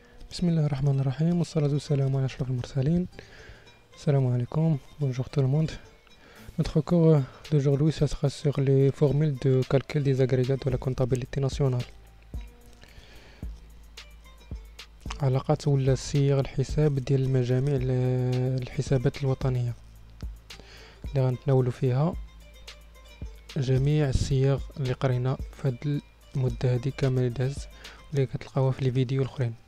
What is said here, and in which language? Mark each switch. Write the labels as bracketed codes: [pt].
[ar] بسم الله الرحمن الرحيم والصلاة والسلام على أشرف المرسلين. السلام عليكم. بونجور تو الموند. [fr] Notre cours d'aujourd'hui, ça sera sur les formules de calcul des agrégats de la comptabilité nationale. [ar] علاقات ولا صيغ الحساب ديال المجاميع الحسابات الوطنية اللي غنتناولوا فيها جميع الصيغ اللي قرينا في هذه المدة هذه كامل داز اللي كتلقاوها في الفيديو الاخرين.